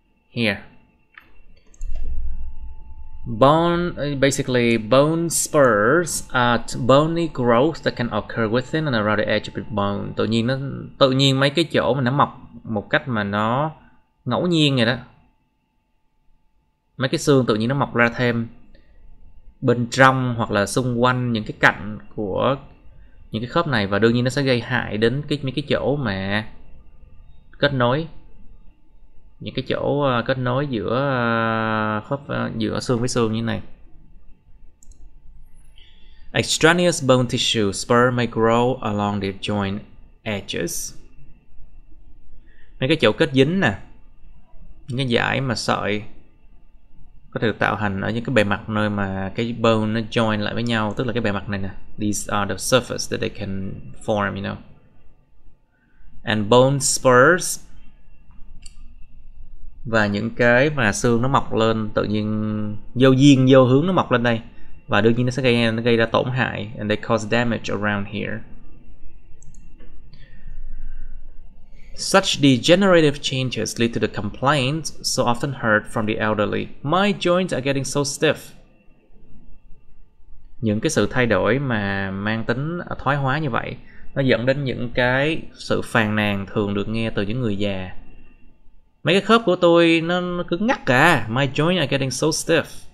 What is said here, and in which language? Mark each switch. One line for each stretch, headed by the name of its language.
English: Here Bone spurs are bony growth that can occur within and around the edge of the bone.
Vietnamese: Tự nhiên mấy cái chỗ mà nó mọc một cách mà nó ngẫu nhiên vậy đó. Mấy cái xương tự nhiên nó mọc ra thêm bên trong hoặc là xung quanh những cái cạnh của những cái khớp này, và đương nhiên nó sẽ gây hại đến mấy cái chỗ mà kết nối. Những cái chỗ kết nối giữa khớp, giữa xương với xương như này.
English: Extraneous bone tissue spur may grow along the joint edges.
Vietnamese: Mấy cái chỗ kết dính nè, những cái dải mà sợi có thể tạo thành ở những cái bề mặt nơi mà cái bone nó join lại với nhau, tức là cái bề mặt này nè.
English: These are the surface that they can form, you know. And bone spurs,
Vietnamese: và những cái mà xương nó mọc lên tự nhiên, vô duyên vô hướng nó mọc lên đây, và đương nhiên nó gây ra tổn hại.
English: And they cause damage around here. Such degenerative changes lead to the complaints so often heard from the elderly. My joints are getting so stiff.
Vietnamese: Những cái sự thay đổi mà mang tính thoái hóa như vậy, nó dẫn đến những cái sự phàn nàn thường được nghe từ những người già. Mấy cái khớp của tôi nó cứ ngắc cả.
English: My joints are getting so stiff.